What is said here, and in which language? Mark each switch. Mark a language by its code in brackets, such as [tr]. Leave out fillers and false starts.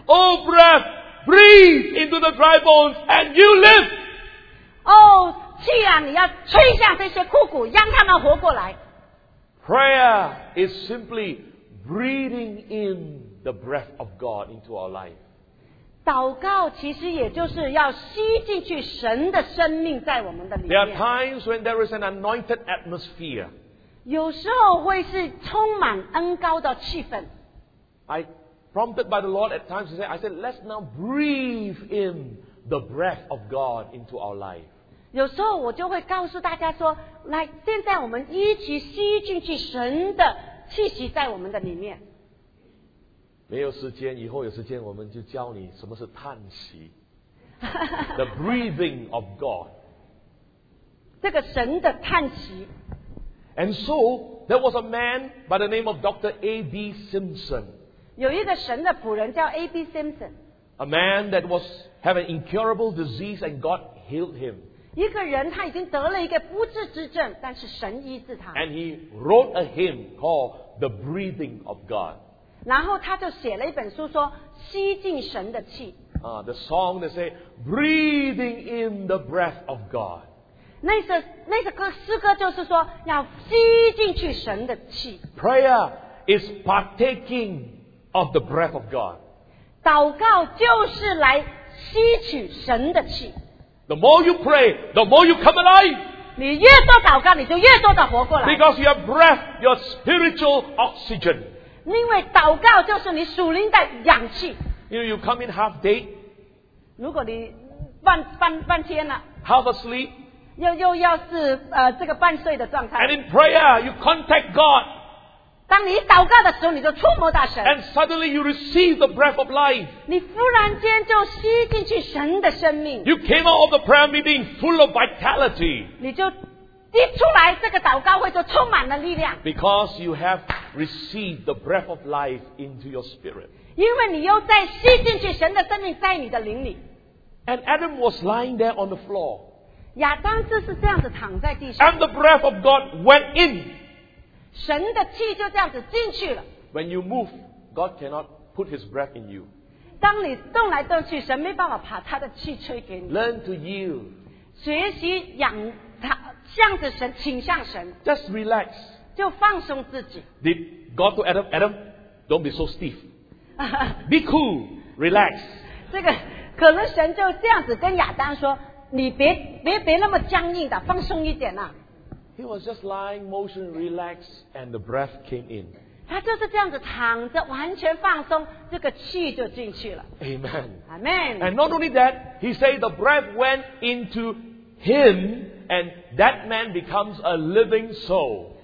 [en] Oh breath, breathe into the dry bones and you live. [zh] Oh, 气啊，你要吹向这些枯骨，让他们活过来。 [en] Prayer is simply breathing in the breath of God into our life. [zh] 祷告其实也就是要吸进去神的生命在我们的里面。 [en] There are times when there is an anointed atmosphere. [zh] 有时候会是充满恩膏的气氛。 [en] I prompted by the Lord at times, I said, let's now breathe in the breath of God into our life. [zh] 有时候我就会告诉大家说，来，现在我们一起吸进去神的气息在我们的里面。没有时间，以后有时间我们就教你什么是叹息。 [en] The breathing of God. [zh] 这个神的叹息。 [en] And so, there was a man by the name of Dr. A.B. Simpson. [zh] 有一个神的仆人叫 A.B. [en] Simpson. A man that was have an incurable disease and God healed him. [zh] 一个人他已经得了一个不治之症，但是神医治他。 [en] And he wrote a hymn called The Breathing of God. [zh] 然后他就写了一本书说，吸进神的气。 [en] The song that say, breathing in the breath of God. [zh] 那首诗歌就是说要吸进去神的气。 [en] Prayer is partaking of the breath of God. [zh] 祷告就是来吸取神的气。 [en] The more you pray, the more you come alive. [zh] 你越多祷告，你就越多的活过来。 [en] Because your breath, your spiritual oxygen. [zh] 因为祷告就是你属灵的氧气。 [en] You know, you come in half day. [zh] 如果你半天了。 [en] Half asleep. [zh] 又要是这个半睡的状态。 [en] And in prayer, you contact God. [zh] 当你祷告的时候，你就触摸到神。 [en] And suddenly you receive the breath of life. [zh] 你忽然间就吸进去神的生命。 [en] You came out of the prayer meeting full of vitality. [zh] 你就一出来，这个祷告会就充满了力量。 [en] Because you have received the breath of life into your spirit. [zh] 因为你又在吸进去神的生命在你的灵里。 [en] And Adam was lying there on the floor. [zh] 亚当就是这样子躺在地上。 [en] And the breath of God went in. [zh] 神的气就这样子进去了。 [en] When you move, God cannot put His breath in you. [zh] 当你动来动去，神没办法把他的气吹给你。 [en] Learn to yield. [zh] 学习仰他，向着神，倾向神。 [en] Just relax. [zh] 就放松自己。 [en] Did God to Adam, Adam, don't be so stiff. Be cool, relax. [zh] 这个可能神就这样子跟亚当说，你别那么僵硬的，放松一点呐。 [en] He was just lying, motion, relax, and the breath came in. [zh] 他就是这样子躺着，完全放松，这个气就进去了。 [en] Amen. Amen. And not only that, he said the breath went into him, and that man becomes a living soul.